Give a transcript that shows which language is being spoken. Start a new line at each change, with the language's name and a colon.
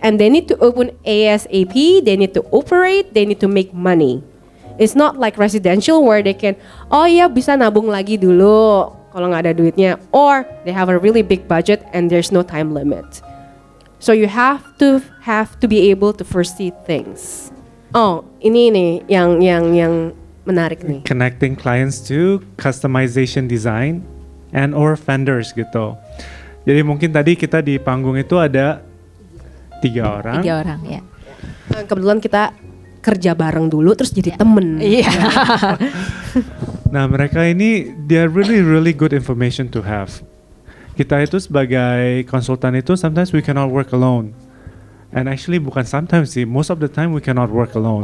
English: And they need to open ASAP, they need to operate, they need to make money. It's not like residential where they can, oh yeah,
Indonesian: bisa nabung lagi dulu kalau nggak ada duitnya,
English: or they have a really big budget and there's no time limit. So you have to be able to foresee things.
Indonesian: Oh, ini nih yang menarik nih.
English: Connecting clients to customization design and or vendors gitu.
Indonesian: Jadi mungkin tadi kita di panggung itu ada tiga orang ya. Kebetulan kita kerja bareng dulu terus jadi temen. Iya. Yeah. Nah mereka ini,
English: they are really really good information to have.
Indonesian: Kita itu sebagai konsultan itu,
English: sometimes we cannot work alone. And actually
Indonesian: bukan sometimes sih,
English: most of the time we cannot work alone.